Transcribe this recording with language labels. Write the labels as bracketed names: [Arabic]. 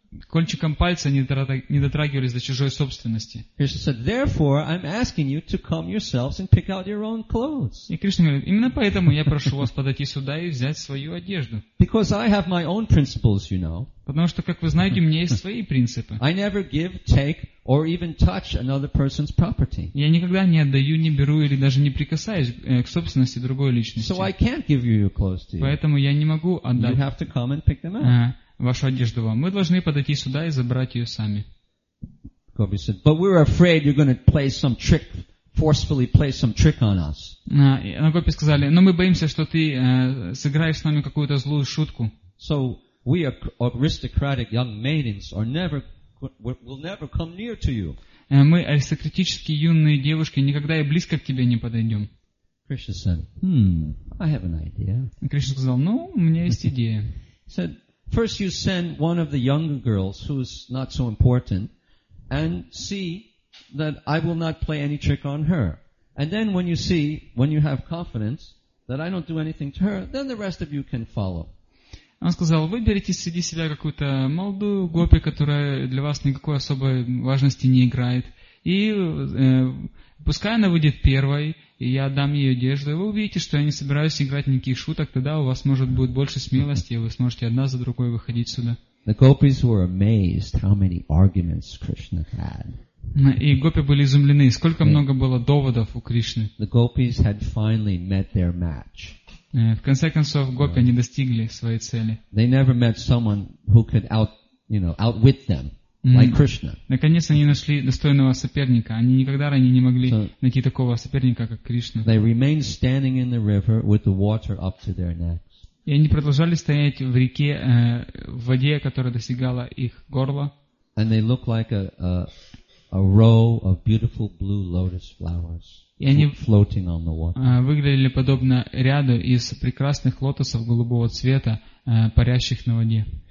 [Russian] кончиком пальца не дотрагивались до чужой собственности. [English] Krishna said, therefore, I'm asking you to come yourselves and pick out your own clothes. [Russian] И Кришна говорит, именно поэтому я прошу вас подойти сюда и взять свою одежду. [English] Because I have my own principles, you know. [Russian] Потому что, как вы знаете, у меня есть свои принципы. [English] I never give, take, or even touch another person's property. [Russian] Я никогда не отдаю, не беру или даже не прикасаюсь к собственности другой личности. [English] So I can't give you your clothes to you. [Russian] Поэтому я не могу отдать. [English] You have to come and pick them out. [Russian] Вашу одежду вам. Мы должны подойти сюда и забрать ее сами. [English] Gopi said, but we're afraid you're going to play some trick, forcefully play some trick on us. [Russian] Гопи сказали, но мы боимся, что ты сыграешь с нами какую-то злую шутку. [English] So we aristocratic young maidens are never, will never come near to you. [Russian] Мы аристократические юные девушки никогда и близко к тебе не подойдем. [English] Krishna said, I have an idea. [Russian] Кришна сказал, у меня есть идея. [English] Said, first you send one of the younger girls who's not so important and see that I will not play any trick on her. And then when you see, when you have confidence that I don't do anything to her, then the rest of you can follow. [Russian] Он сказал, выберите среди себя какую-то молодую гопи, которая для вас никакой особой важности не играет. И пускай она выйдет первой, и я отдам ей одежду, и вы увидите, что я не собираюсь играть никаких шуток, тогда у вас, может, будет больше смелости, и вы сможете одна за другой выходить сюда. [English] The gopis were amazed how many arguments Krishna had. [Russian] И гопи были изумлены, сколько много было доводов у Кришны. [English] The gopis had finally met their match. [Russian] В конце концов, гопи они достигли своей цели. [English] They never met someone who could outwit them. Like Krishna. [Russian] Наконец они нашли достойного соперника. Они никогда ранее не могли найти такого соперника, как Кришна. [English] They remained standing in the river with the water up to their necks. [Russian] И они продолжали стоять в реке, в воде, которая достигала их горла. [English] And they looked like a row of beautiful blue lotus flowers floating on the water. [Russian] Выглядели подобно ряду из прекрасных лотосов голубого цвета, парящих на воде.